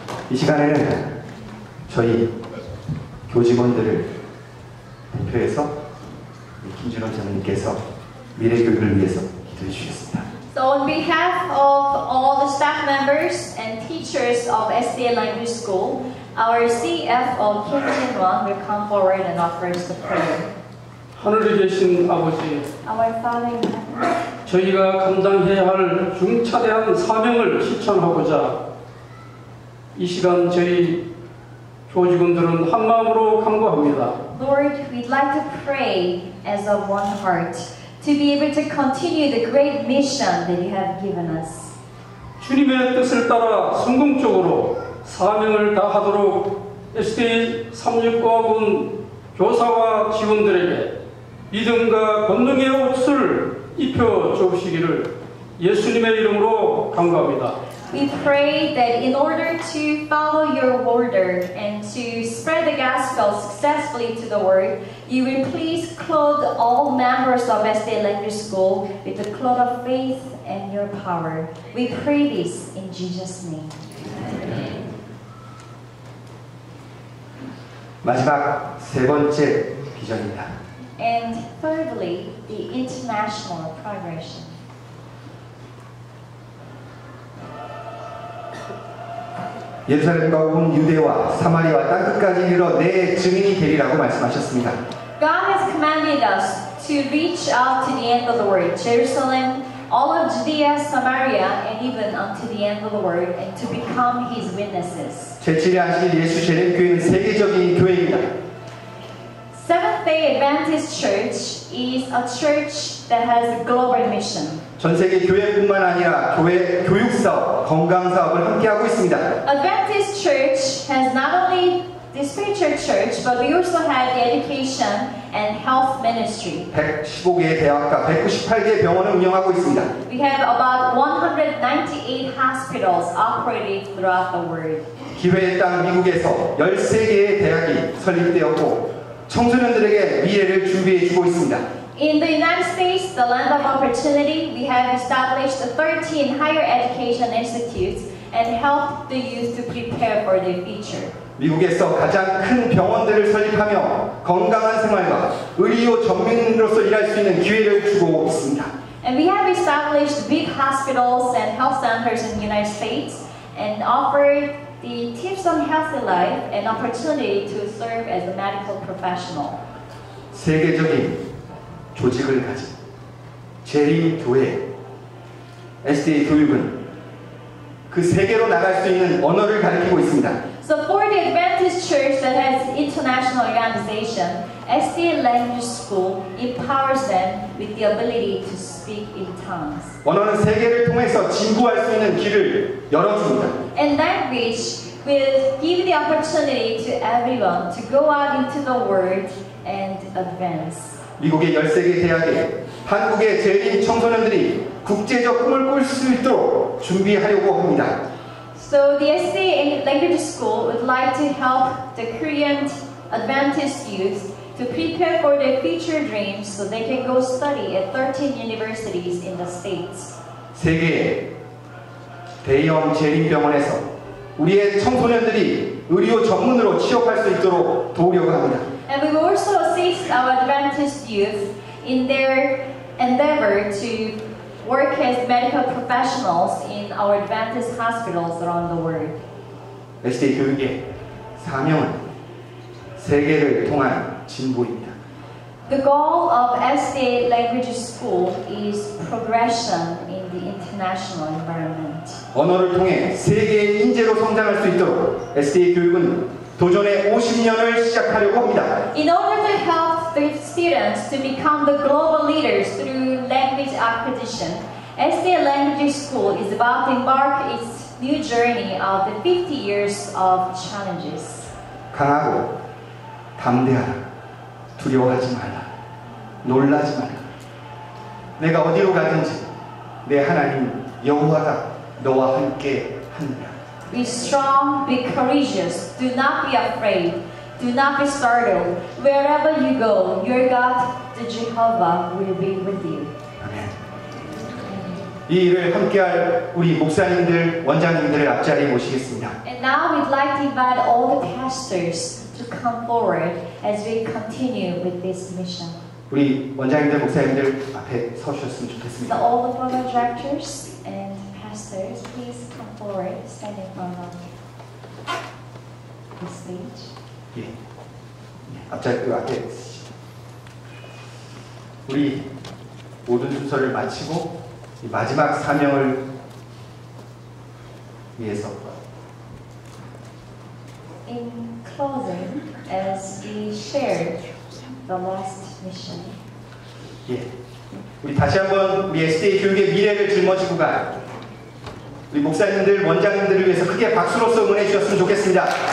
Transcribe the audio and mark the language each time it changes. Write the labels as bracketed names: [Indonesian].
[Korean] 이 시간에는 저희 교직원들을 대표해서 김준원 장님께서 미래 교육을 위해서 기도해 주셨습니다. [English] So on behalf of all the staff members and teachers of SDA Language School, our CFO Kim Jin Won will come forward and offer us the prayer. [Korean] 하늘에 계신 아버지, [English] our Father in heaven, [Korean] 저희가 감당해야 할 중차대한 사명을 실천하고자 이 시간 저희 교직원들은 한 마음으로 간구합니다. [English] Lord, we'd like to pray as of one heart. To be able to continue the great mission that you have given us. [Korean] 주님의 뜻을 따라 성공적으로 사명을 다하도록 SDA 365학원 교사와 직원들에게 믿음과 권능의 옷을 입혀 주시기를 예수님의 이름으로 간구합니다. [English] We pray that in order to follow your order and to spread the gospel successfully to the world, you will please clothe all members of SDA Language School with the cloth of faith and your power. We pray this in Jesus' name. Amen. [Korean] 마지막 세 번째 비전입니다. [English] And thirdly, the international progression. [Korean] 예루살렘과 온 유대와 사마리아와 땅 끝까지 이르러 내 증인이 되리라고 말씀하셨습니다. [English] God has commanded us to reach out to the end of the world, Jerusalem, all of Judea, Samaria, and even unto the end of the world, and to become His witnesses. [Korean] 제7일 안식일 예수 재림교회는 세계적인 교회입니다. [English] Seventh-day Adventist Church is a church that has a global mission. [Korean] 전 세계 교회뿐만 아니라 교회 교육 사업, 건강 사업을 함께 하고 있습니다. [English] Adventist Church has not only the spiritual church, but we also have the education and health ministry. [Korean] 115개의 대학과 198개의 병원을 운영하고 있습니다. [English] We have about 198 hospitals operating throughout the world. [Korean] 기회의 땅 미국에서 13개의 대학이 설립되었고 청소년들에게 미래를 준비해 주고 있습니다. [English] In the United States, the land of opportunity, we have established 13 higher education institutes and helped the youth to prepare for their future. [Korean] 미국에서 가장 큰 병원들을 설립하며 건강한 생활과 의료 전문으로서 일할 수 있는 기회를 주고 있습니다. [English] And we have established big hospitals and health centers in the United States and offered the tips on healthy life and opportunity to serve as a medical professional. [Korean] 세계적인 조직을 가진 재림교회 SDA 교육은 그 세계로 나갈 수 있는 언어를 가르치고 있습니다. [English] So for the Adventist Church that has international organization, SDA Language School empowers them with the ability to speak in tongues. [Korean] 언어는 세계를 통해서 진구할 수 있는 길을 열어줍니다. [English] And language will give the opportunity to everyone to go out into the world and advance. [Korean] 미국의 13개 대학에 한국의 재림 청소년들이 국제적 꿈을 꿀 수 있도록 준비하려고 합니다. [English] So the SDA Language School would like to help the Korean Adventist youth to prepare for their future dreams so they can go study at 13 universities in the States. [Korean] 세계의 대형 재림병원에서 우리의 청소년들이 의료 전문으로 취업할 수 있도록 도우려고 합니다. [English] And we will also assist our Adventist youth in their endeavor to work as medical professionals in our Adventist hospitals around the world. [Korean] SDA 교육의 사명은 세계를 통한 진보입니다. [English] The goal of SDA Language School is progression in the international. international environment. [Korean] 언어를 통해 세계의 인재로 성장할 수 있도록 SDA 교육은 도전의 50년을 시작하려고 합니다. [English] In order to help the students to become the global leaders through language acquisition, SDA Language School is about to embark its new journey of the 50 years of challenges. [Korean] 강하고 담대하라. 두려워하지 말라. 놀라지 말라. 내가 어디로 가든지 내 하나님 여호와가 너와 함께 하느니라. [English] Be strong, be courageous, do not be afraid, do not be startled. Wherever you go, your God, the Jehovah, will be with you. [Korean] 이 일을 함께할 우리 목사님들, 원장님들을 앞자리에 모시겠습니다. [English] And now we'd like to invite all the pastors to come forward as we continue with this mission. [Korean] 우리 원장님들, 목사님들 앞에 서주셨으면 좋겠습니다. [English] So all the board of directors and pastors, please come forward, stand in front of the stage. [Korean] 예, 앞자리 앞에 우리 모든 순서를 마치고 이 마지막 사명을 위해서 [English] In closing, as we share the last mission. [Korean] 예, 우리 다시 한번 우리 SDA 교육의 미래를 짊어지고 가 우리 목사님들, 원장님들을 위해서 크게 박수로써 응원해 주셨으면 좋겠습니다.